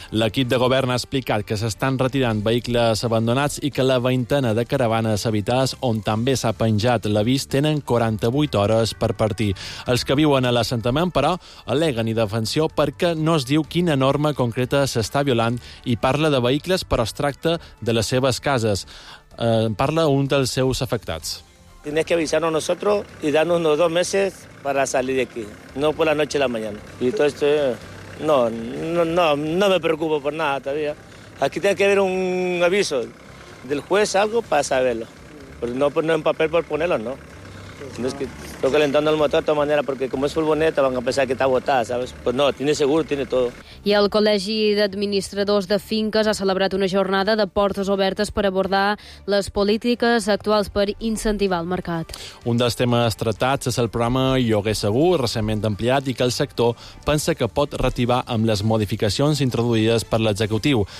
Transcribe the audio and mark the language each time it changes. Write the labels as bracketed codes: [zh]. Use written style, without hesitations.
[ca] L'equip de govern ha explicat que s'estan retirant vehicles abandonats i que la veintena de caravanes habitades on també s'ha penjat l'avís tenen 48 hores per partir. Els que viuen a l'assentament, però, aleguen i defensió perquè no es diu quina norma concreta s'està violant i parla de vehicles, però es tracta de les seves cases. Parla un dels seus afectats. [es] Tienes que avisarnos nosotros y darnos unos 2 meses para salir de aquí, no por la noche y la mañana. Y todo esto, no me preocupo por nada todavía. Aquí tiene que haber un aviso del juez, algo para saberlo. Pero no ponerlo en papel por ponerlo, ¿no? Es que estoy calentando el motor de esta manera porque como es furgoneta van a pensar que está agotada, ¿sabes? Pues no, tiene seguro, tiene todo. [ca] I el Col·legi d'Administradors de Finques ha celebrat una jornada de portes obertes per abordar les polítiques actuals per incentivar el mercat. Un dels temes tractats és el programa Lloguer Segur, recentment ampliat, i que el sector pensa que pot reactivar amb les modificacions introduïdes per l'executiu.